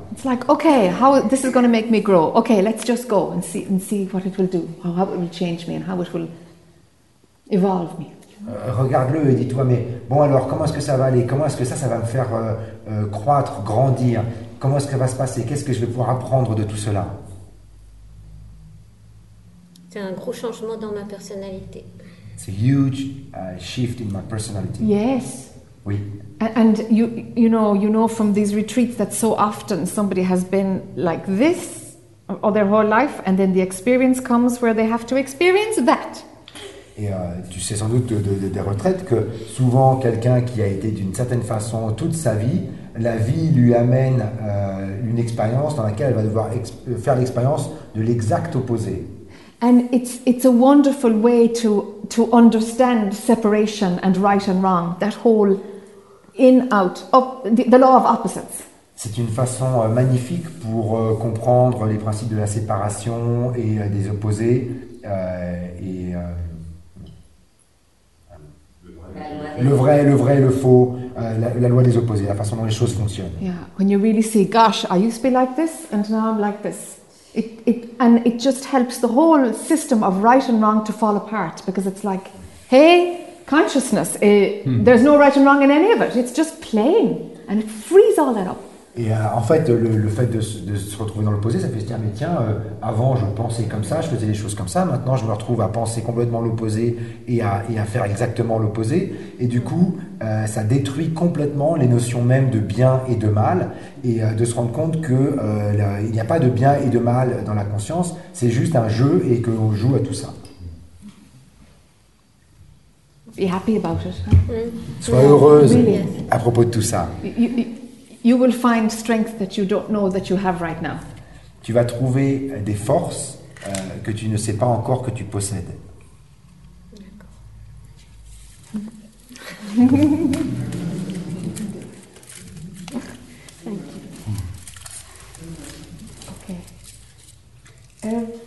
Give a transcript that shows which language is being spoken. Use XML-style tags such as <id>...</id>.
<en>It's like, okay, how this is going to make me grow. Okay, let's just go and see what it will do. How it will change me and how it will evolve me.</en> <fr>Regarde-le et dis-toi, mais bon alors, comment est-ce que ça va aller? Comment est-ce que ça va me faire croître, grandir? Comment est-ce que ça va se passer? Qu'est-ce que je vais pouvoir apprendre de tout cela? C'est un gros changement dans ma personnalité.</fr> <en>It's a huge shift in my personality. Yes.</en> <fr>Oui.</fr> <en>And you know from these retreats that so often somebody has been like this all their whole life, and then the experience comes where they have to experience that.</en> <fr>Et tu sais sans doute des retraites que souvent quelqu'un qui a été d'une certaine façon toute sa vie, la vie lui amène une expérience dans laquelle elle va devoir faire l'expérience de l'exact opposé.</fr> <en>And it's a wonderful way to understand separation and right and wrong, that whole in out of the law of opposites.</en> <fr>C'est une façon magnifique pour comprendre les principes de la séparation et des opposés et le vrai, le faux, la loi des opposés, la façon dont les choses fonctionnent.</fr> <en>Yeah, when you really say, gosh, I used to be like this and now I'm like this. It just helps the whole system of right and wrong to fall apart, because it's like, hey, consciousness, there's no right and wrong in any of it. It's just playing, and it frees all that up.</en> <fr>Et en fait, le fait de se retrouver dans l'opposé, ça fait se dire, mais tiens, avant je pensais comme ça, je faisais les choses comme ça, maintenant je me retrouve à penser complètement l'opposé et à faire exactement l'opposé. Et du coup, ça détruit complètement les notions même de bien et de mal, et de se rendre compte qu'il n'y a pas de bien et de mal dans la conscience, c'est juste un jeu et qu'on joue à tout ça.</fr> <en>Be happy about it. Huh?</en> <fr>Sois heureuse à propos de tout ça.</fr> <en>You will find strength that you don't know that you have right now.</en> <fr>Tu vas trouver des forces que tu ne sais pas encore que tu possèdes. D'accord.</fr> <en>Thank you. Okay.</en>